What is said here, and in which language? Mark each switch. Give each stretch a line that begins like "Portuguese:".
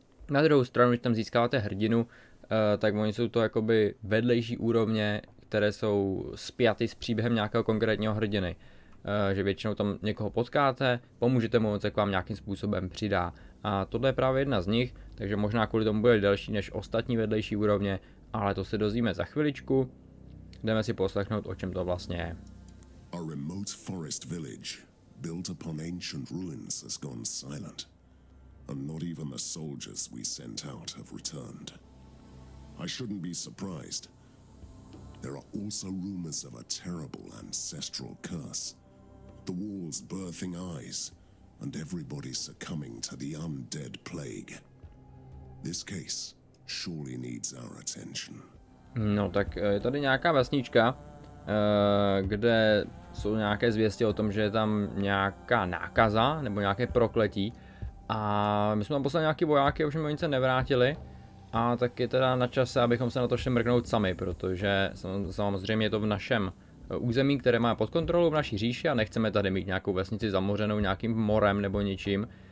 Czech: Na druhou stranu, když tam získáváte hrdinu, tak oni jsou to jakoby vedlejší úrovně, které jsou spjaty s příběhem nějakého konkrétního hrdiny. Že většinou tam někoho potkáte, pomůžete mu, on se k vám nějakým způsobem přidá. A tohle je právě jedna z nich, takže možná kvůli tomu bude delší než ostatní vedlejší úrovně, ale to se dozvíme za chviličku. Jdeme si poslechnout, o čem to vlastně je.
English: A remote forest village, built upon ancient ruins, has gone silent. And not even the soldiers we sent out have returned. I shouldn't be surprised. There are also rumors of a terrible ancestral curse. The walls birthing eyes. And everybody succumbing to the undead plague. This case surely needs our attention.
Czech: No, tak je tady nějaká vesnička, kde jsou nějaké zvěsti o tom, že je tam nějaká nákaza nebo nějaké prokletí. A my jsme tam poslali nějaký vojáky, ovšem oni se nevrátili. A tak je teda na čase, abychom se na to šli mrknout sami, protože samozřejmě je to v našem území, které má pod kontrolou v naší říši a nechceme tady mít nějakou vesnici zamořenou nějakým morem nebo něčím.